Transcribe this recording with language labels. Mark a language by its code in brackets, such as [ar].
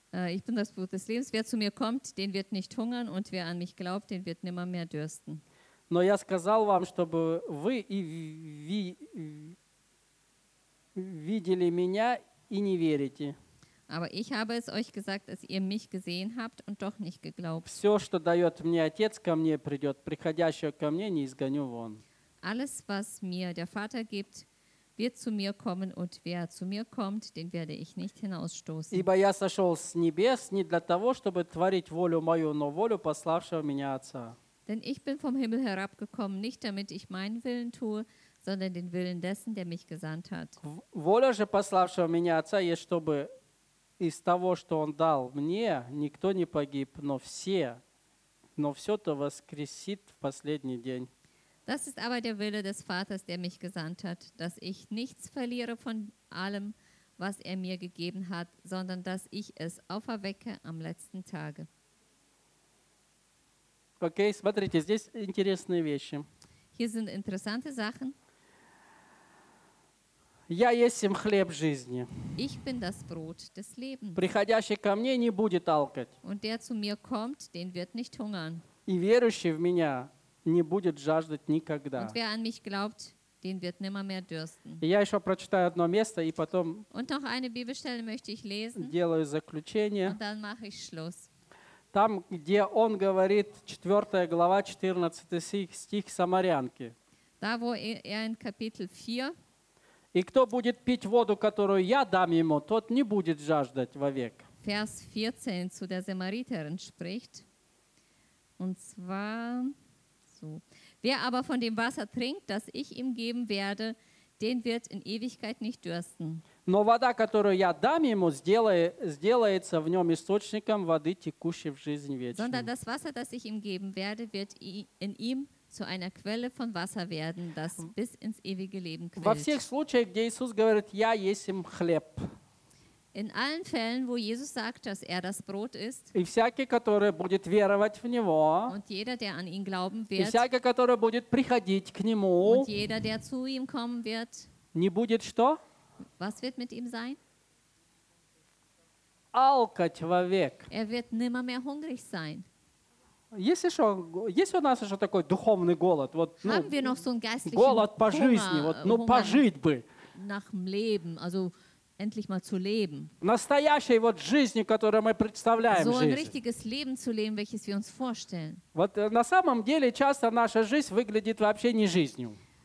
[de] Ich bin das Brot des Lebens. Wer zu mir kommt, den wird nicht hungern, und wer an mich glaubt, den wird nimmer mehr dürsten. [ru] Но я сказал вам, чтобы вы и видели меня и не верите. [de] Aber ich habe es euch gesagt, dass ihr mich gesehen habt und doch nicht geglaubt. [ru] Все, что дает мне Отец, ко мне придет, приходящего ко мне не изгоню вон. [de] Alles, was mir der Vater gibt, wird zu mir kommen, und wer zu mir kommt, den werde ich nicht hinausstoßen. [ru] Ибо я сошел с небес не для того, чтобы творить волю мою, но волю пославшего меня Отца. [de] Denn ich bin vom Himmel herabgekommen, nicht damit ich meinen Willen tue, sondern den Willen dessen, der mich gesandt hat. [ru] Воля же пославшего меня Отца есть, чтобы из того, что Он дал мне, никто не погиб, но все-то воскресит в последний день. [de] Das ist aber der Wille des Vaters, der mich gesandt hat, dass ich nichts verliere von allem, was er mir gegeben hat, sondern dass ich es auferwecke am letzten Tage. [ru] Okay, смотрите, здесь интересные вещи. [de] Hier sind interessante Sachen. [ru] Я есмь хлеб жизни. [de] Ich bin das Brot des Lebens. [ru] Приходящий ко мне не будет алкать. [de] Und der zu mir kommt, den wird nicht hungern. [ru] И верующий в меня не будет жаждать никогда. [de] Und wer an mich glaubt, den wird nimmer mehr dürsten. [ru] Я еще прочитаю одно место и потом. [de] Und noch eine Bibelstelle möchte ich lesen. [ru] Делаю заключение. [de] Und dann mache ich Schluss. [ru] Там, где он говорит, 4 глава, 14 стих Самарянки. [de] Da, wo er in Kapitel 4. [ru] И кто будет пить воду, которую я дам ему, тот не будет жаждать вовек. [de] Vers 14 zu der Samariterin spricht. Und zwar so. Wer aber von dem Wasser trinkt, das ich ihm geben werde, den wird in Ewigkeit nicht dürsten. [ru] Но вода, которую я дам ему, сделается в нем источником воды, текущей в жизнь вечную. [de] Sondern das Wasser, das ich ihm geben werde, wird in ihm zu einer Quelle von Wasser werden, das bis ins ewige Leben quillt. [ru] Во всех случаях, где Иисус говорит, я есмь хлеб. [de] In allen Fällen, wo Jesus sagt, dass er das Brot ist, [ru] и всякий, который будет веровать в него, [de] und jeder, der an ihn glauben wird, [ru] и всякий, который будет приходить к нему, [de] und jeder, der zu ihm kommen wird, [ru] не будет что? [de] Was wird mit ihm sein? [ru] Алкать вовек. [de] Er wird nimmer mehr hungrig sein. [ru] Есть еще, есть у нас еще такой духовный голод, вот, ну, голод по жизни, вот, ну, пожить бы. [de] Nach dem Leben, also endlich mal zu leben. [ru] Настоящей вот жизни, которую мы представляем. [de] So ein richtiges Leben zu leben, welches wir uns vorstellen. [ru] Вот на самом деле часто наша жизнь выглядит вообще не жизнью.